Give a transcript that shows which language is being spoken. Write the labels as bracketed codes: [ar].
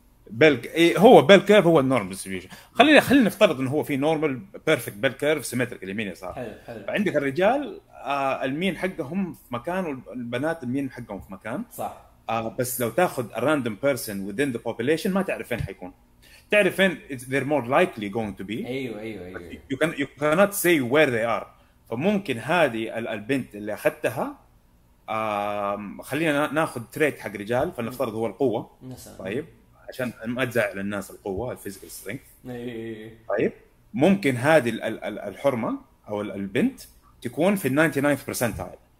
[ar] بيل هو بيل كيرف هو النورمال ديستريبيوشن، خلينا نفترض انه هو في نورمال بيرفكت بيل كيرف سيمتريك اليمين يسار، حلو حلو. فعندك الرجال المين حقهم في مكان والبنات المين حقهم في مكان صح، بس لو تاخذ [en] random person within the population [ar] ما تعرف فين حيكون، تعرف فين [en] they're more likely going to be. [ar] ايوه، [en] you cannot say where they are. [ar] فممكن هذه البنت اللي اخذتها، خلينا ناخذ تريت حق رجال فنفترض هو القوه مثلا، طيب عشان ما تزعل الناس القوه الفيزيكال سترينث. ايوه، طيب ممكن هذه الحرمه او البنت تكون في ال 99th percentile.